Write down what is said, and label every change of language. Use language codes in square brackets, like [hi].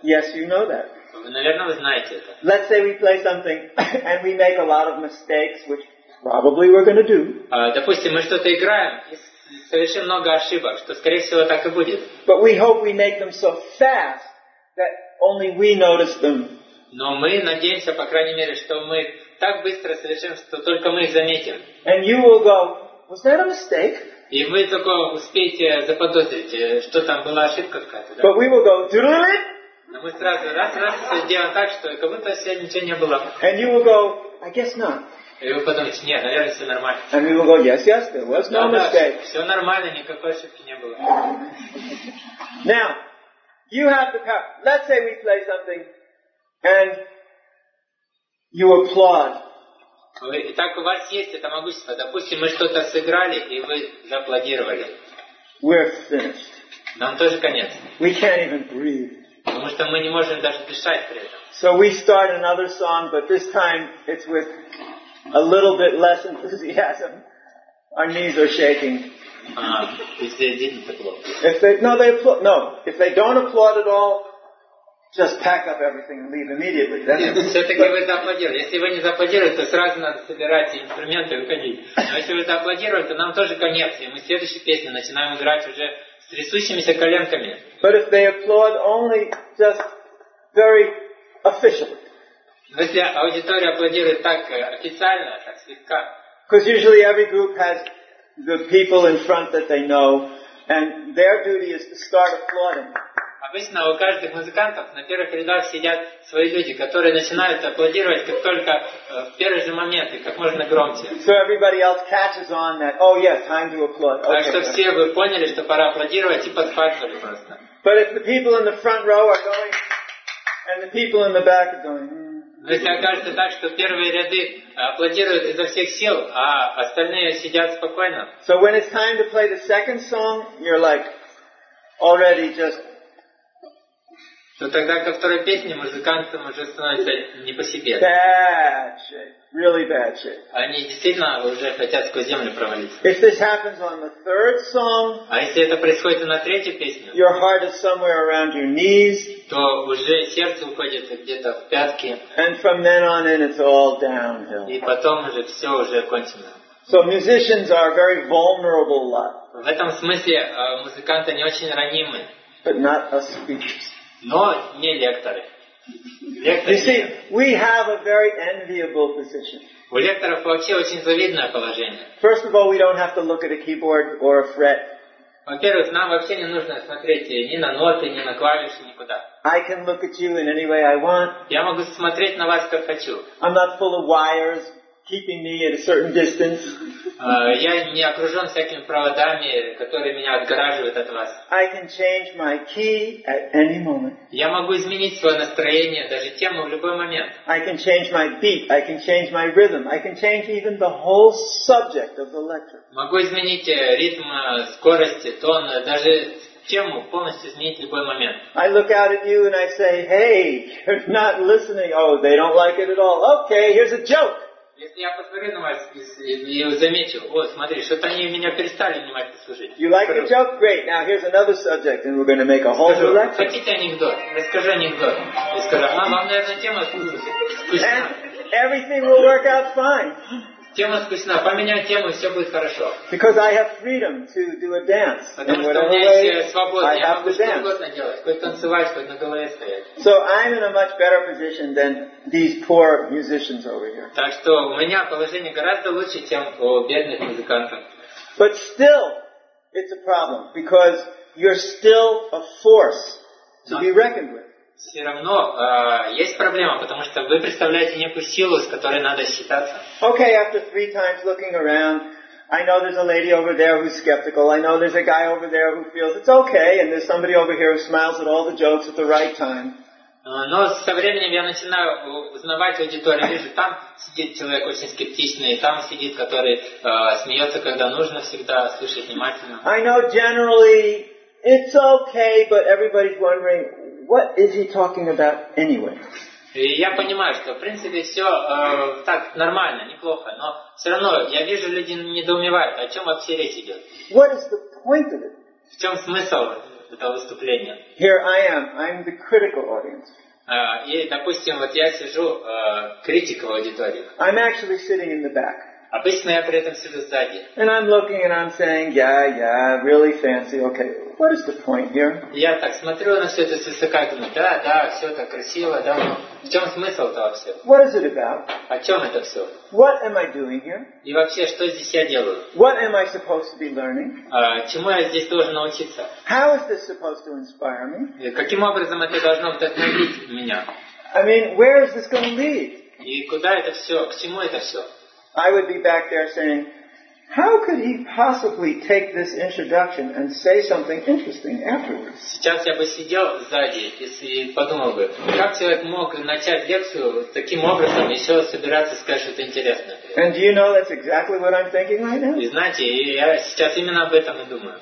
[en] Yes, you know that. [ru] Наверное, вы знаете это. [en] Let's say we play something and we make a lot of mistakes, which probably we're going to do. [ru] Допустим, мы что-то играем, и совершим много ошибок, что, скорее всего, так и будет. [en] But we hope we make them so fast that only we notice them. [ru] Но мы надеемся, по крайней мере, что мы так быстро совершим, что только мы их заметим. [en] And you will go, was that a mistake? [ru] И вы только успеете заподозрить, что там была ошибка какая-то. [en] But we will go, doodle it. [ru] Но мы сразу раз-раз сделаем так, что как будто сегодня ничего не было. [en] And you will go, I guess not. [ru] И вы подумаете, нет, наверное, все нормально. [en] And we will go, yes, yes, there was no mistake. [ru] Все нормально, никакой ошибки не было. [en] Now, you have the power. Let's say we play something and you applaud. [ru] Итак, у вас есть это могущество. Допустим, мы что-то сыграли, и вы зааплодировали. [en] We're finished. [ru] Нам тоже конец. [en] We can't even breathe. [ru] Потому что мы не можем даже дышать при этом. [en] So we start another song, but this time it's with a little bit less enthusiasm. Our knees are shaking. If they didn't applaud. If they don't applaud at all, just pack up everything and leave immediately. [ru] Все-таки вы зааплодировали. Если вы не зааплодировали, то сразу надо собирать инструменты и уходить. Но если вы зааплодировали, то нам тоже конец. И мы следующую песню начинаем играть уже с трясущимися коленками. [en] But if they applaud only just very officially. [ru] Если аудитория аплодирует так официально, так слегка. [en] Because usually every group has the people in front that they know, and their duty is to start applauding. [ru] Обычно у каждых музыкантов на первых рядах сидят свои люди, которые начинают аплодировать как только в первый же момент и как можно громче. [en] So everybody else catches on that. Oh yes, time to applaud. Okay. [ru] Так что все вы поняли, что пора аплодировать и подхватывали просто. [en] But if the people in the front row are going, and the people in the back are going. [ru] Если окажется так, что первые ряды аплодируют изо всех сил, а остальные сидят спокойно. [en] So when it's time to play the second song, you're like already just. [ru] То тогда ко второй песне музыкантам уже становится не по себе. [en] Bad shit. Really bad shit. [ru] Они действительно уже хотят сквозь землю провалиться. [en] If this happens on the third song, [ru] а если это происходит на третьей песне, [en] your heart is somewhere around your knees, [ru] то уже сердце уходит где-то в пятки. [en] And from then on in, it's all downhill. [ru] И потом уже все уже кончено. [en] So musicians are very vulnerable lot. [ru] В этом смысле музыканты не очень ранимы. [en] But not us speakers. [ru] Но не лекторы. [en] You see, we have a very enviable position. [ru] У лекторов вообще очень завидное положение. [en] First of all, we don't have to look at a keyboard or a fret. [ru] Во-первых, нам вообще не нужно смотреть ни на ноты, ни на клавиши, никуда. [en] I can look at you in any way I want. [ru] Я могу смотреть на вас как хочу. [en] I'm not full of wires keeping me at a certain distance. [ru] Я не окружен всякими проводами, которые меня отгораживают от вас. [en] I can change my key at any moment. [ru] Я могу изменить свое настроение, даже тему, в любой момент. [en] I can change my beat, I can change my rhythm, I can change even the whole subject of the lecture. [ru] Могу изменить ритм, скорость, тон, даже тему, полностью изменить в любой момент. [en] I look out at you and I say, hey, you're not listening. Oh, they don't like it at all. Okay, here's a joke. [ru] Если я посмотрю на вас и замечу, о, смотри, что-то они меня перестали внимательно слушать. [en] You like the joke? Great. Now here's another subject, and we're going to make a whole new lecture. [ru] Хотите анекдот? Расскажи анекдот. И скажу, вам, наверное, тема скучна. [en] And everything will work out fine. [ru] Тема скучна. Поменяй тему, все будет хорошо. [en] Because I have freedom to do a dance. [ru] Потому что у меня есть свобода. Я могу что угодно делать. Хоть танцевать, хоть на голове стоять. [en] So I'm in a much better position than these poor musicians over here. [ru] Так что у меня положение гораздо лучше, чем у бедных музыкантов. [en] But still, it's a problem. Because you're still a force to be reckoned with. [ru] Все равно есть проблема, потому что вы представляете некую силу, с которой надо считаться. [en] Okay, after three times looking around, I know there's a lady over there who's skeptical. I know there's a guy over there who feels it's okay, and there's somebody over here who smiles at all the jokes at the right time. [ru] Но со временем я начинаю узнавать аудиторию. Вижу, там сидит человек очень скептичный, и там сидит, который смеется, когда нужно, всегда слушать внимательно. [en] I know generally it's okay, but everybody's wondering. What is he talking about anyway? [ru] Я понимаю, что в принципе все так нормально, неплохо, но все равно я вижу, люди недоумевают, о чем вообще речь идет. [en] What is the point of it? [ru] В чем смысл этого выступления? [en] Here I am. I'm the critical audience. [ru] И допустим, вот я сижу критик в аудитории. [en] I'm actually sitting in the back. [ru] Обычно я при этом сижу сзади. [en] And I'm looking and I'm saying, yeah, yeah, really fancy, okay. What is the point here? [ru] Я так смотрю на все это свысока, думаю, да, да, все так красиво, да. В чем смысл-то вообще? [en] What is it about? [ru] О чем это все? [en] What am I doing here? [ru] И вообще, что здесь я делаю? [en] What am I supposed to be learning? [ru] Чему я здесь должен научиться? [en] How is this supposed to inspire me? [ru] Каким образом это должно вдохновить меня? [en] I mean, where is this going to lead? [ru] И куда это все? К чему это все? [en] I would be back there saying, how could he possibly take this introduction and say something interesting afterwards? [ru] Сейчас я бы сидел сзади и подумал бы, как человек мог начать лекцию таким образом, еще собираться сказать что-то интересное. [en] And do you know that's exactly what I'm thinking right now? [ru] И знаете, я сейчас именно об этом и думаю.